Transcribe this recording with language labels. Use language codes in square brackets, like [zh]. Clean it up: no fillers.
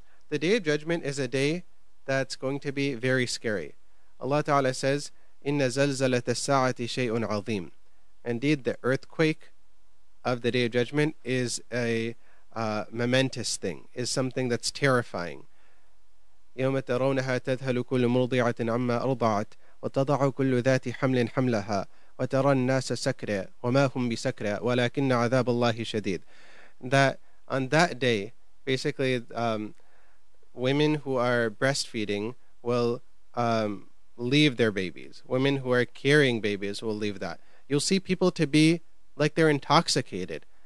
[en] The Day of Judgment is a day that's going to be very scary. Allah Ta'ala says, [ar] "Inna zalzalat as-sa'ati shay'un 'azim." [en] Indeed, the earthquake of the Day of Judgment is a momentous thing, is something that's terrifying. [ar] يوم ترونها تذهل كل مرضعة عما أرضعت وتضع كل ذات حمل حملها وترى الناس سكرى وما هم بسكرى ولكن عذاب الله شديد. [en] That on that day, basically, women who are breastfeeding will leave their babies. Women who are carrying babies will leave that. You'll see people to be like they're intoxicated.